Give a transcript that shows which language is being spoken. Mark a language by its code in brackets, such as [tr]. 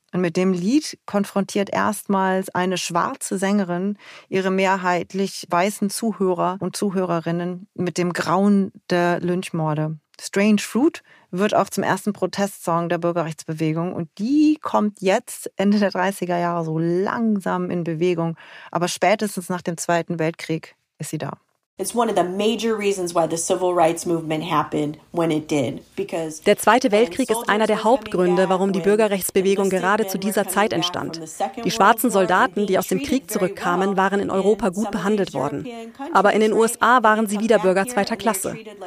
[de] Und mit dem Lied konfrontiert erstmals eine schwarze Sängerin ihre mehrheitlich weißen Zuhörer und Zuhörerinnen mit dem Grauen der Lynchmorde. Strange Fruit wird auch zum ersten Protestsong der Bürgerrechtsbewegung und die kommt jetzt Ende der 30er Jahre so langsam in Bewegung, aber spätestens nach dem Zweiten Weltkrieg ist sie da. [en] It's one of the major reasons why the civil rights movement happened when it did. [de] Der Zweite Weltkrieg ist einer der Hauptgründe, warum die Bürgerrechtsbewegung gerade zu dieser Zeit entstand. Die schwarzen Soldaten, die aus dem Krieg zurückkamen, waren in Europa gut behandelt worden. Aber in den USA waren sie wieder Bürger zweiter Klasse.